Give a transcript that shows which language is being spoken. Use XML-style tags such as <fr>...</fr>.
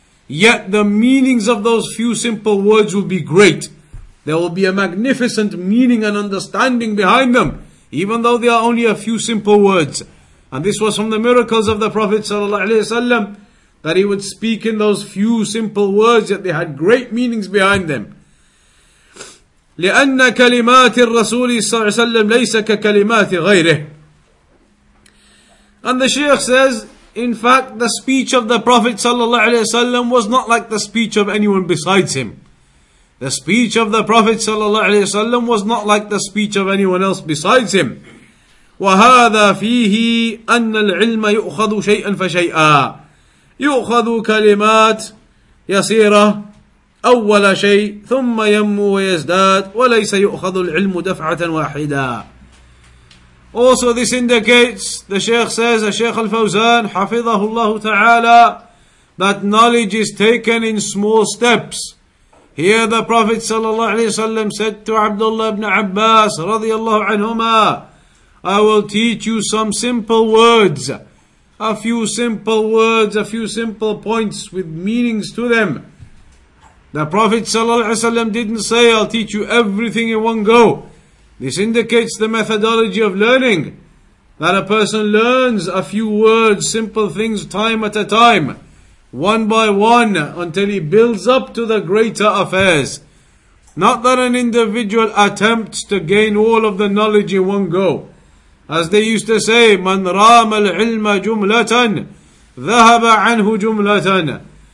<en>Yet the meanings of those few simple words will be great. There will be a magnificent meaning and understanding behind them. even though they are only a few simple words. And this was from the miracles of the Prophet ﷺ, that he would speak in those few simple words, that they had great meanings behind them.</en> <ar>لأن كلمات الرسول صلى الله عليه وسلم ليس ككلمات غيره.</ar> <en>And the Shaykh says, in fact, the speech of the Prophet ﷺ was not like the speech of anyone besides him. The speech of the Prophet ﷺ was not like the speech of anyone else besides him.</en> <ar>وهذا فيه أن العلم يؤخذ شيئا فشيئا. يؤخذ كلمات يسيرة أول شيء ثم ينمو ويزداد وليس يؤخذ العلم دفعة واحدة.</ar> <en>Also this indicates, the Shaykh says, the Shaykh Al-Fawzan,</en> <ar>حفظه الله تعالى,</ar> <en>that knowledge is taken in small steps. Here the Prophet ﷺ said to Abdullah ibn Abbas</en> <ar>رضي الله عنهما,</ar> <en>I will teach you some simple words, a few simple words, a few simple points with meanings to them. The Prophet ﷺ didn't say, I'll teach you everything in one go. This indicates the methodology of learning, that a person learns a few words, simple things, time at a time, one by one, until he builds up to the greater affairs. Not that an individual attempts to gain all of the knowledge in one go. As they used to say,</en> <ar>من رام العلم جملة ذهب عنه جملة.</ar>